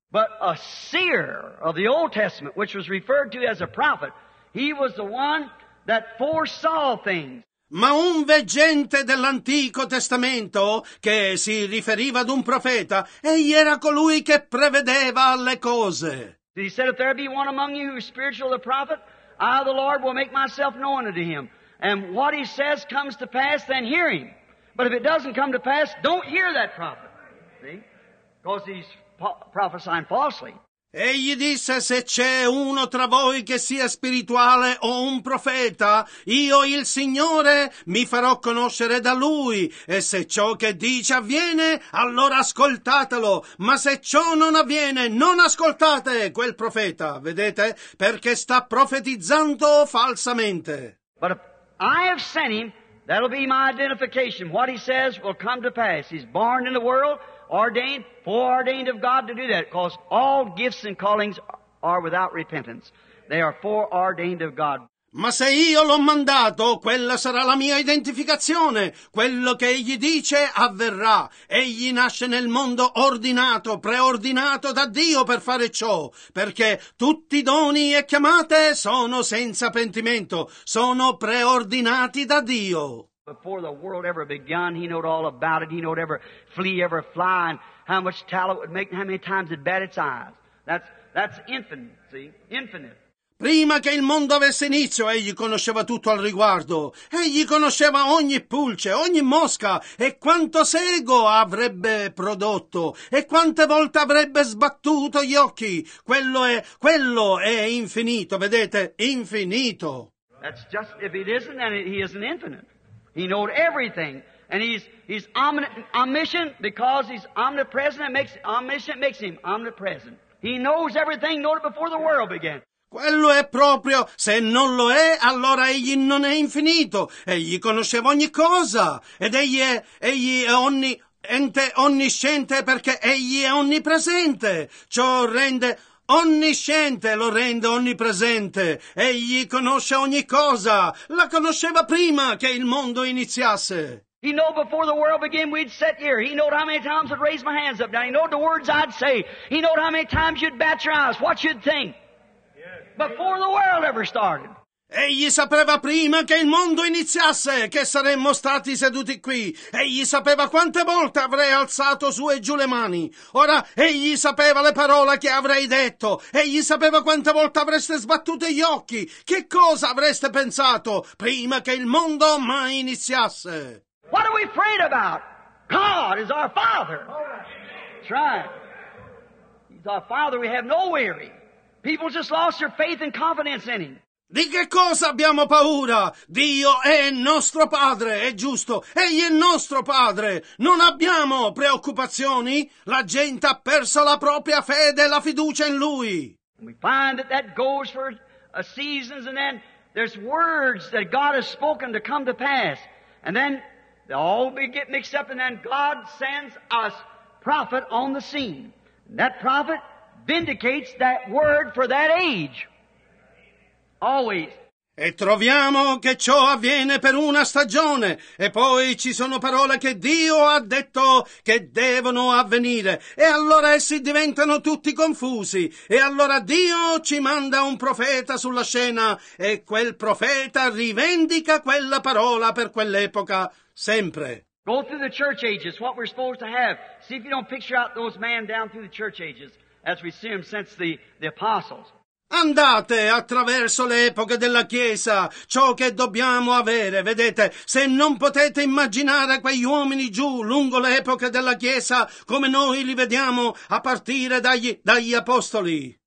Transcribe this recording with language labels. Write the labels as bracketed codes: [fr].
[en] But a seer of the Old Testament, which was referred to as a prophet, he was the one that foresaw things. [it] Ma un veggente dell'Antico Testamento, che si riferiva ad un profeta, egli era colui che prevedeva le cose. [en] He said, if there be one among you who is spiritual, the prophet, I, the Lord, will make myself known unto him. And what he says comes to pass, then hear him. But if it doesn't come to pass, don't hear that prophet. See? Because he's prophesying falsely. [it] Egli disse, se c'è uno tra voi che sia spirituale o un profeta, io, il Signore, mi farò conoscere da lui, e se ciò che dice avviene, allora ascoltatelo, ma se ciò non avviene, non ascoltate quel profeta, vedete, perché sta profetizzando falsamente. [en] But if I have sent him, that'll be my identification. What he says will come to pass. He's born in the world. Ordained, foreordained of God to do that, because all gifts and callings are without repentance. They are foreordained of God. [it] Ma se io l'ho mandato, quella sarà la mia identificazione. Quello che egli dice avverrà. Egli nasce nel mondo ordinato, preordinato da Dio per fare ciò, perché tutti i doni e chiamate sono senza pentimento, sono preordinati da Dio. [en] Before the world ever began, he knew all about it. He knew every flea, every fly, and how much talent it would make, and how many times it bat its eyes. That's infinite, see? Infinite. [it] Prima che il mondo avesse inizio, egli conosceva tutto al riguardo. Egli conosceva ogni pulce, ogni mosca, e quanto sego avrebbe prodotto, e quante volte avrebbe sbattuto gli occhi. Quello è infinito, vedete? Infinito. [en] That's just, if it isn't, then he isn't infinite. He knows everything, and he's omniscient because he's omnipresent. Makes him omnipresent. He knows everything, knew it before the world began. [it] Quello è proprio, se non lo è, allora egli non è infinito. Egli conosceva ogni cosa, ed egli è onniente, onnisciente, perché egli è onnipresente. Ciò rende onnisciente, lo rende onnipresente. Egli conosce ogni cosa. La conosceva prima che il mondo iniziasse. [en] He knew before the world began we'd sit here. He knew how many times I'd raise my hands up. Now he knew the words I'd say. He knew how many times you'd bat your eyes. What you'd think. Before the world ever started. [it] Egli sapeva prima che il mondo iniziasse che saremmo stati seduti qui. Egli sapeva quante volte avrei alzato su e giù le mani. Ora, egli sapeva le parole che avrei detto. Egli sapeva quante volte avreste sbattuto gli occhi. Che cosa avreste pensato prima che il mondo mai iniziasse? [en] What are we afraid about? God is our Father. That's right. He's our Father. We have no worry. People just lost their faith and confidence in Him. [it] Di che cosa abbiamo paura? Dio è nostro Padre, è giusto. Egli è nostro Padre. Non abbiamo preoccupazioni? La gente ha perso la propria fede e la fiducia in Lui. [en] We find that that goes for seasons, and then there's words that God has spoken to come to pass. And then they all get mixed up, and then God sends us prophet on the scene. And that prophet vindicates that word for that age. Always. [it] E troviamo che ciò avviene per una stagione, e poi ci sono parole che Dio ha detto che devono avvenire, e allora essi diventano tutti confusi, e allora Dio ci manda un profeta sulla scena, e quel profeta rivendica quella parola per quell'epoca, sempre. [en] Go through the church ages, what we're supposed to have. See if you don't picture out those men down through the church ages, as we see them since the apostles. [it] Andate attraverso le epoche della Chiesa, ciò che dobbiamo avere, vedete, se non potete immaginare quegli uomini giù lungo le epoche della Chiesa come noi li vediamo a partire dagli apostoli.